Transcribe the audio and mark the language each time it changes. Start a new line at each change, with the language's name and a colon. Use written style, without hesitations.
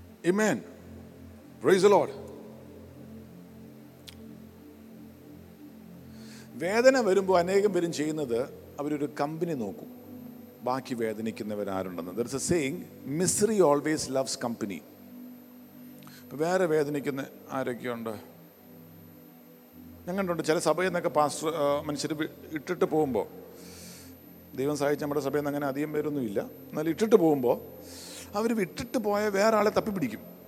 English: Amen. Praise the Lord.
Malayalam: വേദന വരുമ്പോൾ അനേകം പേരും ചെയ്യുന്നത് അവരൊരു കമ്പനി നോക്കും, ബാക്കി വേദനിക്കുന്നവർ ആരുണ്ടെന്ന്.
English: There is a saying, misery always loves company.
Malayalam: ഇപ്പം വേറെ വേദനിക്കുന്ന ആരൊക്കെയുണ്ട്? ഞാൻ കണ്ടിട്ടുണ്ട് ചില സഭയിൽ നിന്നൊക്കെ പാസ്റ്റർ മനുഷ്യർ ഇട്ടിട്ട് പോകുമ്പോൾ, ദൈവം സഹായിച്ച നമ്മുടെ സഭയിൽ നിന്ന് അങ്ങനെ അധികം പേരൊന്നും ഇല്ല, എന്നാലും ഇട്ടിട്ട് പോകുമ്പോൾ അവർ വിട്ടിട്ട് പോയ വേറെ ആളെ തപ്പിപ്പിടിക്കും.